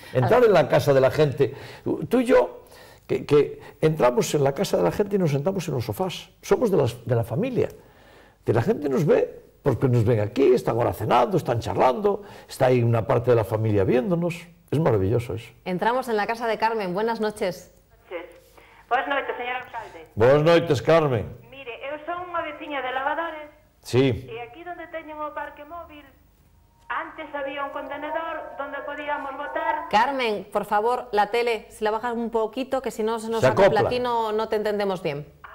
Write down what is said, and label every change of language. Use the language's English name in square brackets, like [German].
[Spanish] Entrar en la casa de la gente, tú y yo, que entramos en la casa de la gente y nos sentamos en los sofás, somos de la familia, que la gente nos ve. Porque nos ven aquí, están ahora cenando, están charlando, está ahí una parte de la familia viéndonos. Es maravilloso eso. Entramos en la casa de Carmen. Buenas noches. Buenas noches, señor alcalde. Buenas noches, Carmen. [Galician] Mire, eu son unha veciña de Lavadores. [Spanish] Sí. [Galician] E aquí donde teñen o parque móvil, [Spanish] antes había un contenedor donde podíamos votar. Carmen, por favor, la tele, si la bajas un poquito, que si no se nos acopla aquí, no te entendemos bien.